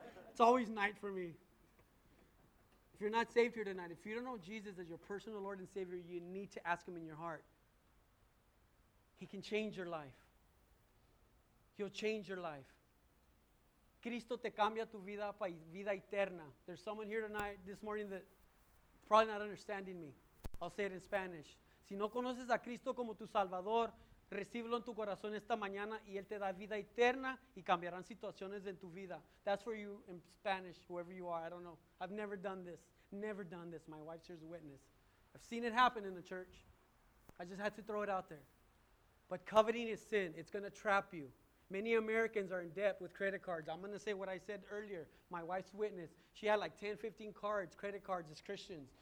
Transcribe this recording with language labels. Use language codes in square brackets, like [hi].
[en] It's always night for me. If you're not saved here tonight, if you don't know Jesus as your personal Lord and Savior, you need to ask him in your heart. He can change your life. He'll change your life. [es] Cristo te cambia tu vida para vida eterna. [en] There's someone here tonight, this morning, that probably not understanding me. I'll say it in Spanish. [es] Si no conoces a Cristo como tu Salvador, recíbelo en tu corazón esta mañana y Él te da vida eterna y cambiarán situaciones en tu vida. [en] That's for you in Spanish, whoever you are. I don't know. I've never done this. Never done this. My wife's here's a witness. I've seen it happen in the church. I just had to throw it out there. But coveting is sin. It's going to trap you. Many Americans are in debt with credit cards. I'm going to say what I said earlier. My wife's witness. She had like 10, 15 cards, credit cards as Christians.